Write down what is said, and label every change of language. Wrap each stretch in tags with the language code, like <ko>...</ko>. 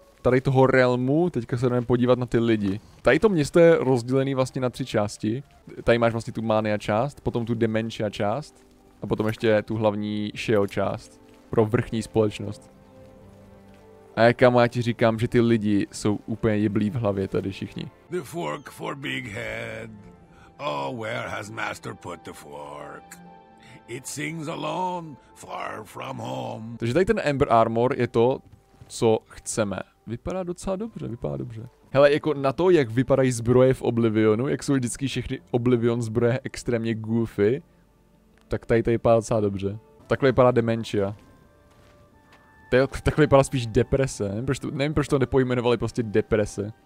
<cs>tady toho realmu, teďka se jdeme podívat na ty lidi. Tady to město je rozdělený vlastně na tři části. Tady máš vlastně tu mania část, potom tu dementia část a potom ještě tu hlavní Sheo část pro vrchní společnost. A jak kámo, já ti říkám, že ty lidi jsou úplně jeblí v hlavě tady všichni.</cs> <en>The fork for big head. Oh, where has master put the fork? It sings alone, far from home.</en> <cs>Takže tady ten Ember Armor je to, co chceme. Vypadá docela dobře, vypadá dobře. Hele, jako na to, jak vypadají zbroje v Oblivionu, jak jsou vždycky všechny Oblivion zbroje extrémně goofy, tak tady vypadá docela dobře. Takhle vypadá Dementia. Takhle vypadá spíš Deprese, nevím proč to nepojmenovali prostě Deprese.</cs>